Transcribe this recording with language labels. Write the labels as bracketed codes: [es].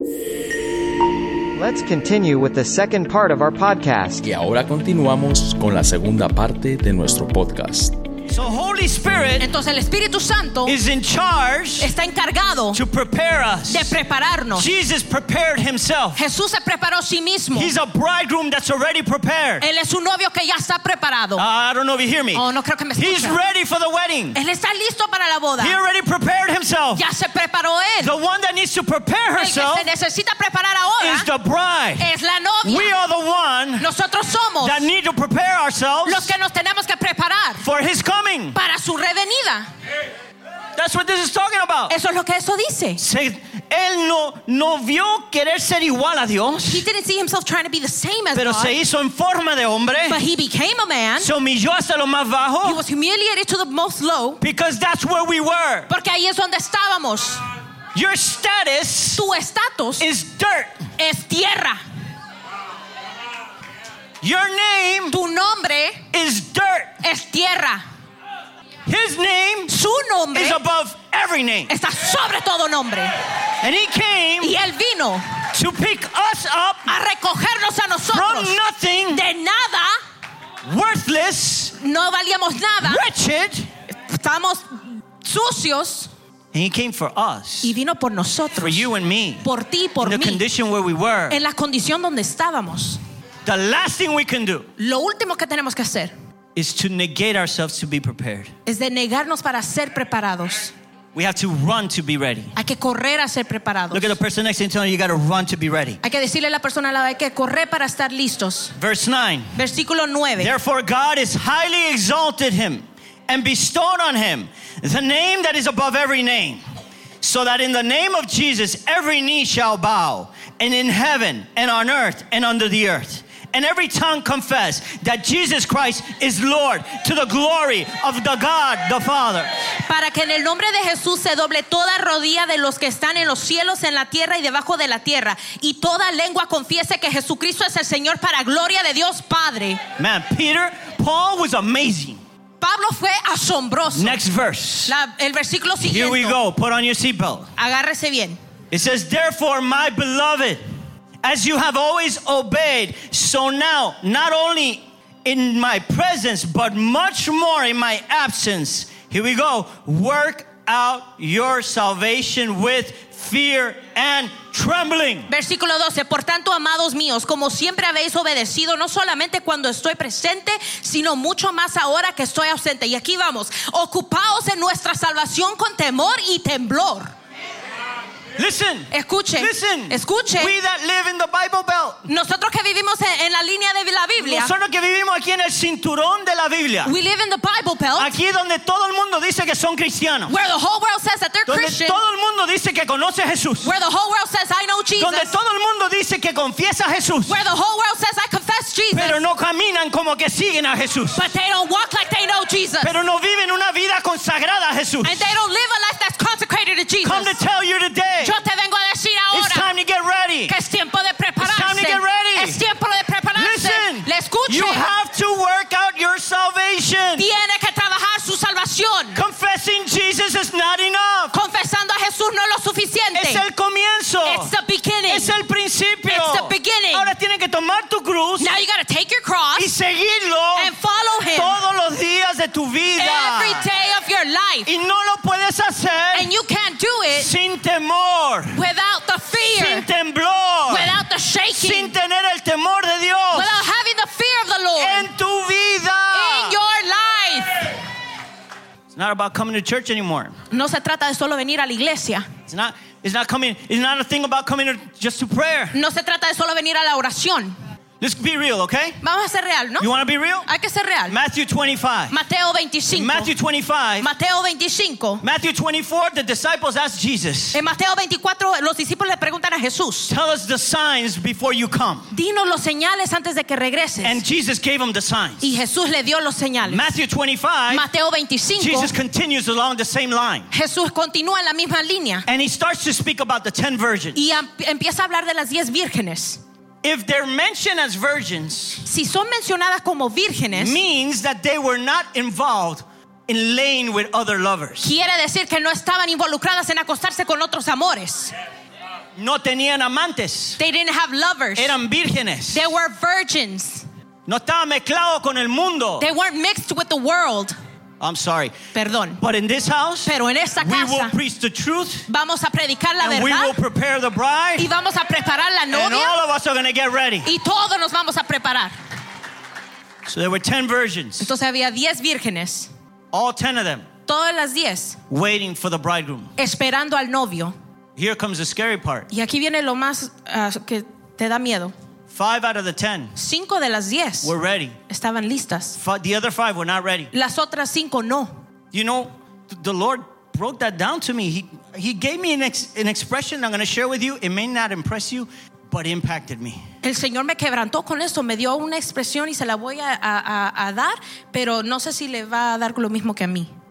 [en] Let's continue with the second part of our podcast. [es] Y ahora continuamos con la segunda parte de nuestro podcast. [en] So Holy Spirit, [es] entonces el Espíritu Santo, [en] is in charge, [es] está encargado, [en] to prepare us, [es] de prepararnos. [en] Jesus prepared Himself. [es] Jesús se preparó sí mismo. [en] He's a bridegroom that's already prepared. [es] Él es un novio que ya está preparado. [en] I don't know if you hear me. [es] Oh, no creo que me escucha. [en] He's ready for the wedding. [es] Él está listo para la boda. [en] He already prepared Himself. [es] Ya se preparó él. [en] The one that needs to prepare herself, [es] el que se necesita preparar ahora, [en] is the bride. [es] Es la novia. [en] We are the one, [es] nosotros somos, [en] that need to prepare ourselves, [es] los que nos tenemos que preparar, [en] for His coming. [es] Para su revenida. [en] That's what this is talking about. [es] Eso es lo que eso dice. Se, él no, no vio querer ser igual a Dios. [en] He didn't see himself trying to be the same as [es] pero [en] God. [es] Se hizo en forma de hombre. [en] But he became a man. [es] Se humilló hasta lo más bajo. [en] He was humiliated to the most low. Because that's where we were. [es] Porque ahí es donde estábamos. [en] Your status, [es] tu estatus, [en] is dirt. [es] Es tierra. [en] Your name, [es] tu nombre, [en] is dirt. [es] Es tierra. [en] His name, [es] su nombre, [en] is above every name. [es] Está sobre todo nombre. [en] And he came, [es] y él vino, [en] to pick us up, [es] a recogernos a nosotros, [en] from nothing, [es] de nada, [en] worthless, [es] no valíamos nada, [en] wretched, [es] estamos sucios. [en] And he came for us, [es] y vino por nosotros, [en] for you and me, [es] por ti, por [en] in [es] mí, [en] the condition where we were, [es] en la condición donde estábamos. [en] The last thing we can do, [es] lo último que tenemos que hacer, [en] is to negate ourselves to be prepared. [es] Es de negarnos para ser preparados. [en] We have to run to be ready. [es] Hay que correr a ser preparados. [en] Look at the person next to you and tell them you got to run to be ready. [es] Hay que decirle a la persona al lado, hay que correr para estar listos. [en] Verse 9. [es] Versículo 9. [en] Therefore God has highly exalted him and bestowed on him the name that is above every name, so that in the name of Jesus every knee shall bow, and in heaven and on earth and under the earth, and every tongue confess that Jesus Christ is Lord, to the glory of the God the Father. [es] Para que en el nombre de Jesús se doble toda rodilla de los que están en los cielos, en la tierra y debajo de la tierra, y toda lengua confiese que Jesucristo es el Señor, para gloria de Dios Padre. [en] Man, Peter, Paul was amazing. [es] Pablo fue asombroso. [en] Next verse. [es] El versículo siguiente. [en] Here we go. Put on your seatbelt. [es] Agárrese bien. [en] It says, therefore, my beloved, as you have always obeyed, so now, not only in my presence, but much more in my absence, here we go, work out your salvation with fear and trembling. [es] Versículo 12. Por tanto, amados míos, como siempre habéis obedecido, no solamente cuando estoy presente, sino mucho más ahora que estoy ausente. Y aquí vamos. Ocupaos en nuestra salvación con temor y temblor. [en] Listen. [es] Escuche. [en] Listen. [es] Escuche. [en] We that live in the Bible Belt. [es] Nosotros que vivimos en la línea de la Biblia. Nosotros que vivimos aquí en el cinturón de la Biblia. [en] We live in the Bible Belt. [es] Aquí donde todo el mundo dice que son cristianos. [en] Where the whole world says that they're [es] donde [en] Christian. [es] Donde todo el mundo dice que conoce a Jesús. [en] Where the whole world says I know Jesus. [es] Donde todo el mundo dice que confiesa a Jesús. [en] Where the whole world says I confess Jesus. [es] Pero no caminan como que siguen a Jesús. [en] But they don't walk like they know Jesus. [es] Pero no viven una vida consagrada a Jesús. [en] And they don't live a life that's consecrated to Jesus. Come to tell you today. [es] Yo te vengo a decir ahora, [en] it's time to get ready. [es] Que es tiempo de prepararse. [en] It's time to get ready. [es] Es tiempo de prepararse. [en] Listen. [es] Le escuche. [en] You have to work out your salvation. [es] Tiene que trabajar su salvación. [en] Confessing Jesus is not enough. [es] Confesando a Jesús no es lo suficiente. Es el comienzo. [en] It's the beginning. [es] Es el principio. [en] It's the beginning. [es] Ahora tiene que tomar tu cruz. [en] Now you gotta take your cross. [es] Y seguirlo. [en] And follow him. [es] Todos los días de tu vida. [en] Every day of your life. [es] Y no lo puedes hacer. [en] And you can't do it. [es] Sin temor. [en] Without the fear. [es] Sin temblor. [en] Without the shaking. [es] Sin tener el temor de Dios. [en] Without having the fear of the Lord. [es] En tu vida. [en] In your life. It's not about coming to church anymore. [es] No se trata de solo venir a la iglesia. [en] It's not coming. It's not a thing about coming to, just to prayer. [es] No se trata de solo venir a la oración. [en] Let's be real, okay? [es] Vamos a ser real, ¿no? [en] You want to be real? [es] Hay que ser real. [en] Matthew 25. [es] Mateo 25. [en] Matthew 25. [es] Mateo 25. [en] Matthew 24, the disciples ask Jesus. [es] En Mateo 24, los discípulos le preguntan a Jesús. [en] Tell us the signs before you come. [es] Dinos los señales antes de que regreses. [en] And Jesus gave them the signs. [es] Y Jesús le dio los señales. [en] Matthew 25. [es] Mateo 25. [en] Jesus continues along the same line. [es] Jesús continúa en la misma línea. [en] And he starts to speak about the 10 virgins. [es] Y empieza a hablar de las 10 vírgenes. [en] If they're mentioned as virgins, [es] si son mencionadas como vírgenes, [en] means that they were not involved in laying with other lovers. [es] Quiere decir que no estaban involucradas en acostarse con otros amores. No tenían amantes. [en] They didn't have lovers. [es] Eran vírgenes. [en] They were virgins. [es] No estaban mezclados con el mundo. [en] They weren't mixed with the world. I'm sorry. [es] Perdón. [en] But in this house, [es] pero en esta casa, [en] we will preach the truth. [es] Vamos a predicar la verdad. [en] And we will prepare the bride. [es] Y vamos a preparar la novia. [en] And all of us are going to get ready. [es] Y todos nos vamos a preparar. [en] So there were 10 virgins. [es] Entonces había 10 vírgenes. [en] All 10 of them. [es] Todas las 10. [en] Waiting for the bridegroom. [es] Esperando al novio. [en] Here comes the scary part. [es] Y aquí viene lo más que te da miedo. [en] 5 out of the 10. [es] 5 de las 10. [en] Were ready. [es] Estaban listas. [en] The other 5 were not ready. [es] Las otras 5 no. [en] You know, the Lord broke that down to me. He gave me an expression I'm going to share with you. It may not impress you, but it impacted me. [es] El Señor me quebrantó con esto. Me dio una expresión y se la voy a dar, pero no sé si le va a dar lo mismo que a mí.